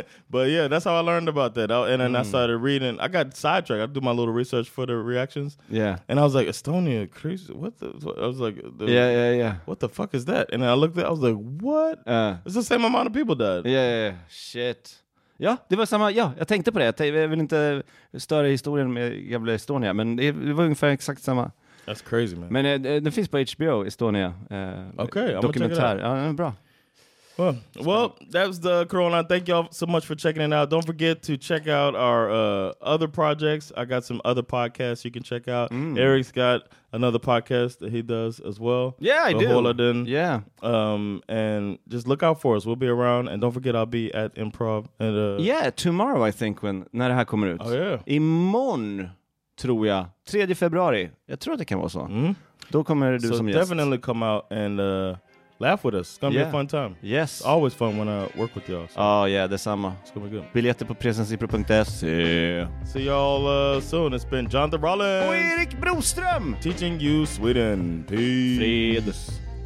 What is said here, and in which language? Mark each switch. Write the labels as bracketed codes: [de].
[en] but yeah, that's how I learned about that. I started reading. I got sidetracked. I do my little research for the reactions. Yeah. And I was like, Estonia, crazy. What? I was like, what the fuck is that? And then I looked at it, I was like, what? It's the same amount of people died. Yeah. Shit. [sv] Ja, det var samma. Ja, jag tänkte på det. Jag vill inte störa historien med gamla Estonia, men det var ungefär exakt samma. [en] That's crazy, man. [sv] Men den finns på HBO, Estonia. [en] Okay, [sv] dokumentär. [en] I'm gonna check it out. Ja, [sv] bra. [en] Well, that was the Corona. Thank y'all so much for checking it out. Don't forget to check out our other projects. I got some other podcasts you can check out. Mm. Eric's got another podcast that he does as well. Yeah, I do. Holodin. Yeah. And just look out for us. We'll be around. And don't forget, I'll be at Improv. And, tomorrow, I think, when [sv] när det här kommer ut. [en] Oh, yeah. [sv] Imorgon, tror jag. 3 februari. Jag tror att det kan vara så. Mm. Då kommer du som gäst. [en] Definitely come out and... laugh with us. It's going to be a fun time. Yes. It's always fun when I work with y'all. So. Oh, yeah. [sv] Detsamma. [en] It's going to be good. [sv] Biljetter på presensipro.se. [en] See y'all soon. It's been Jonathan Rollins. [sv] Och Erik Broström. [en] Teaching you Sweden. Peace. Fredes.